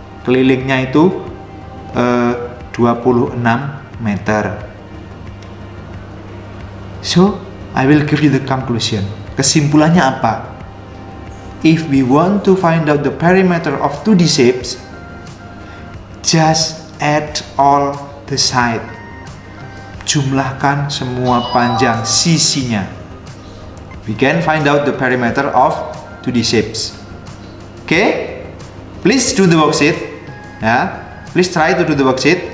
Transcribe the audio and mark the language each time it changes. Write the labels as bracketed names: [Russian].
[Indonesian] Kelilingnya itu 26 meter. [English] So I will give you the conclusion. [Indonesian] Kesimpulannya apa? [English] If we want to find out the perimeter of 2D shapes, just add all the side. [Indonesian] Jumlahkan semua panjang sisinya. [English] We can find out the perimeter of 2D shapes. Okay? Please do the worksheet. Yeah. Please try to do the worksheet.